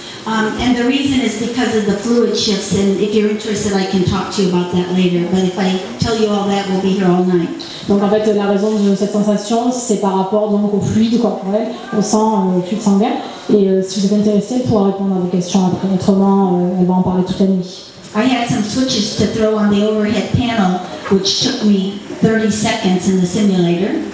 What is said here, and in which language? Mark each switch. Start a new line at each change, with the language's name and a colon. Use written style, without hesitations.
English: And the reason is because of the fluid shifts, and if you're interested, I can talk to you about that later. But if I tell you all that, we'll be here all night.
French: Donc en fait, la raison de cette sensation, c'est par rapport donc au fluide corporel, au sang, au fluide sanguin. Et si vous êtes intéressé, elle pourra répondre à vos questions après. Autrement, elle va en parler toute la nuit.
English: I had some switches to throw on the overhead panel, which took me 30 seconds in the simulator.